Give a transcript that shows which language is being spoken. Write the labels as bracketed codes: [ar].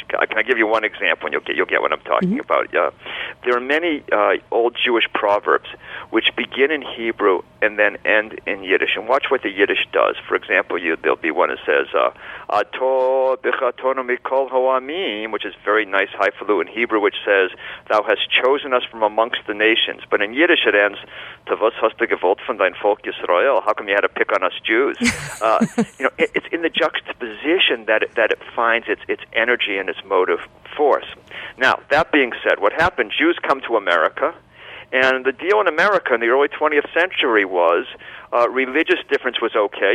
[en] Can I give you one example, and you'll get what I'm talking mm-hmm. about? There are many old Jewish proverbs which begin in Hebrew and then end in Yiddish. And watch what the Yiddish does. For example, there'll be one that says, [he] Ato bichatonu mikol ho'amim, [en] which is very nice highfalutin Hebrew, which says, Thou hast chosen us from amongst the nations. But in Yiddish it ends, [yi] Tavos hast du gewollt von dein Volk Yisrael. [en] How come you had to pick on us Jews? it's in the juxtaposition that it finds its energy and its motive force. Now, that being said, what happened? Jews come to America, and the deal in America in the early 20th century was religious difference was okay.